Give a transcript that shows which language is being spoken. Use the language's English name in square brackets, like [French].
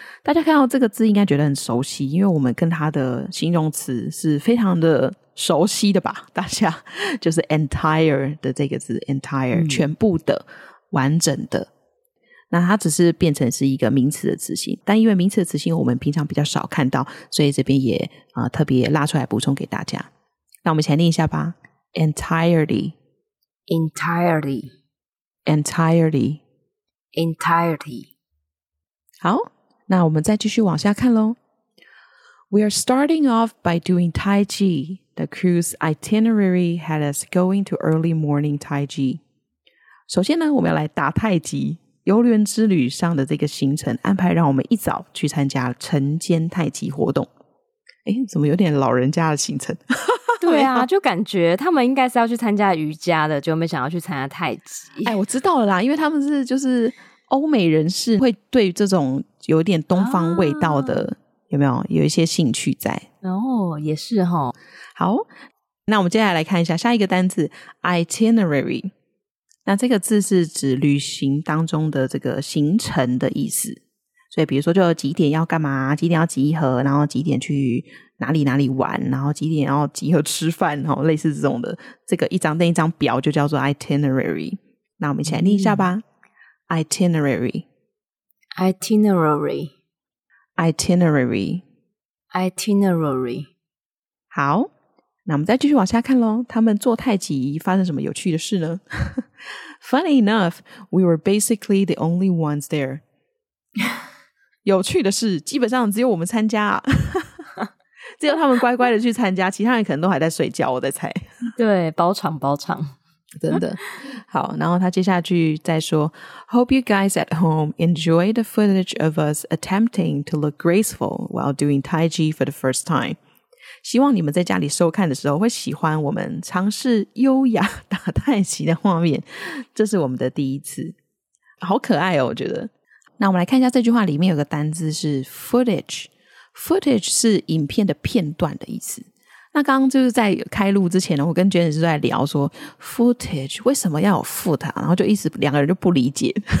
[Chinese] 大家看到这个字应该觉得很熟悉，因为我们跟它的形容词是非常的熟悉的吧，大家就是 entire 的这个字， entire、全部的、完整的，那它只是变成是一个名词的词性，但因为名词的词性我们平常比较少看到，所以这边也特别拉出来补充给大家。那我们一起来念一下吧。 [English] entirety entirety entirety entirety。 [Chinese] 好，那我们再继续往下看咯。 [English] We are starting off by doing Tai Chi. The cruise itinerary had us going to early morning Tai Chi. [Chinese] 首先呢，我们要来打太极。游轮之旅上的这个行程安排让我们一早去参加晨间太极活动。诶，怎么有点老人家的行程？对啊，就感觉他们应该是要去参加瑜伽的，就没想要去参加太极。诶，我知道了啦，因为他们是就是欧美人士，会对这种有点东方味道的、有没有有一些兴趣在。哦，也是哦。好，那我们接下来看一下下一个单字 itinerary。那这个字是指旅行当中的这个行程的意思，所以比如说就几点要干嘛，几点要集合，然后几点去哪里哪里玩，然后几点要集合吃饭，类似这种的，这个一张那一张表就叫做 itinerary。那我们一起来念一下吧。 [English] itinerary itinerary itinerary itinerary。 [Chinese] 好，那我们再继续往下看咯。他们做太极发生什么有趣的事呢？ [English] Funny enough, we were basically the only ones there. [Chinese] 有趣的是基本上只有我们参加。只有他们乖乖的去参加，其他人可能都还在睡觉，我在猜。对，包场包场，真的。 [English] 好，然后他接下去再说 Hope you guys at home enjoy the footage of us attempting to look graceful while doing Tai Chi for the first time. [Chinese] 希望你们在家里收看的时候会喜欢我们尝试优雅打太极的画面，这是我们的第一次。好可爱哦，我觉得。那我们来看一下这句话里面有个单字是 footage。 Footage 是影片的片段的意思。那刚刚就是在开录之前呢，我跟 Jen 是在聊说 footage 为什么要有 foot 啊，然后就一直两个人就不理解。